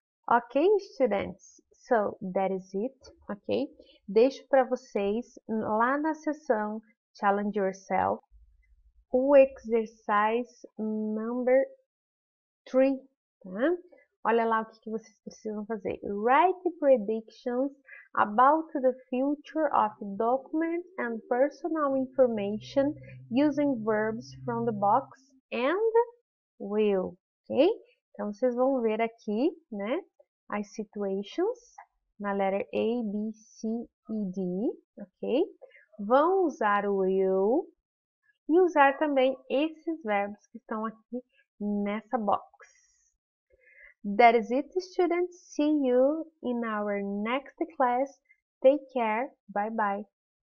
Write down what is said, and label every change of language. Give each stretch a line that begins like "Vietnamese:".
English: Ok, students? So, that is it, ok?
Portuguese: Deixo para vocês, lá na seção Challenge Yourself, o exercise number 3, tá? Olha lá o que vocês precisam fazer.
English: Write predictions about the future of document and personal information using verbs from the box and will, ok?
Portuguese: Então, vocês vão ver aqui, né, as situations na letter A, B, C e D, ok? Vão usar o will e usar também esses verbos que estão aqui nessa box.
English: That is it, students. See you in our next class. Take care. Bye-bye.